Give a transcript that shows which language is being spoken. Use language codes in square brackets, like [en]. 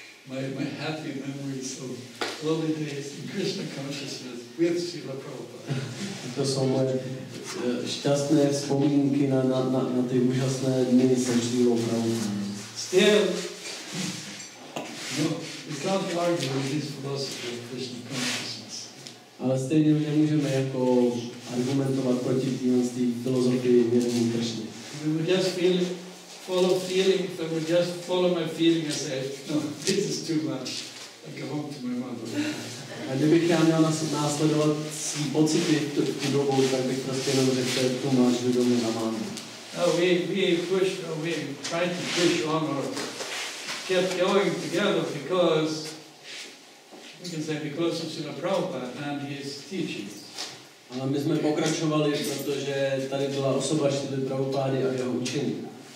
[en] My happy memories of lovely days in Krishna consciousness with Srila Prabhupada. [cs] To jsou moje šťastné vzpomínky na ty úžasné dny se Srilou Prabhupadou. [en] Still, we can't argue with this philosophy of Krishna consciousness. [cs] Ale stejně nemůžeme jako argumentovat proti té filozofii vědomí Krishny. [en] We would just feel follow feeling, if I would just follow my feeling and say, no, this is too much. I go home to my mother. [cs] A kdybych já měl následovat svý pocity tu dobu, tak bych prostě jenom řekl, že to máš do domě na mámě. [en] We try to push on or get going together because we can say because of Srila Prabhupada and his teachings. [cs] Ale my jsme pokračovali, protože tady byla osoba Srila Prabhupády a jeho učení.